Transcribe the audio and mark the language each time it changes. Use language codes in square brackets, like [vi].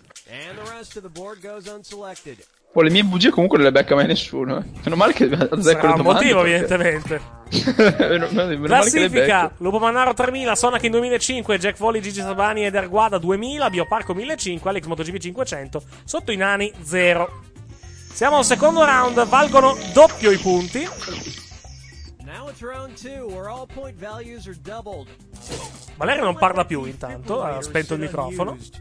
[en] And the rest of the board goes unselected. [it] Le mie bugie comunque non le becca mai nessuno. Meno male che azzecco le domande. Sarà un motivo, evidentemente. Classifica: Lupo Mannaro 3000, Sonic in 2005, Jack Foley, Gigi Sabani ed Erguada 2000, Bioparco 1005, Alex MotoGP 500, sotto i nani 0. Siamo al secondo round, valgono doppio i punti. [en] Now it's round two, where all point values are doubled. [it] Valerio non parla più, intanto ha spento il microfono.